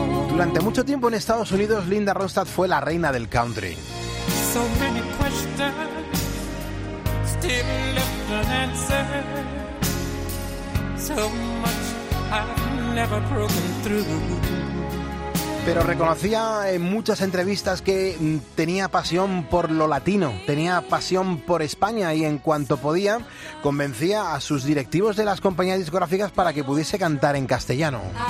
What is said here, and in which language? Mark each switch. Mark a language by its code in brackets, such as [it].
[es] Durante mucho tiempo en Estados Unidos, Linda Ronstadt fue la reina del country. [en] So many questions still left unanswered. So much I've never broken through. [es] Pero reconocía en muchas entrevistas que tenía pasión por lo latino, tenía pasión por España y en cuanto podía, convencía a sus directivos de las compañías discográficas para que pudiese cantar en castellano.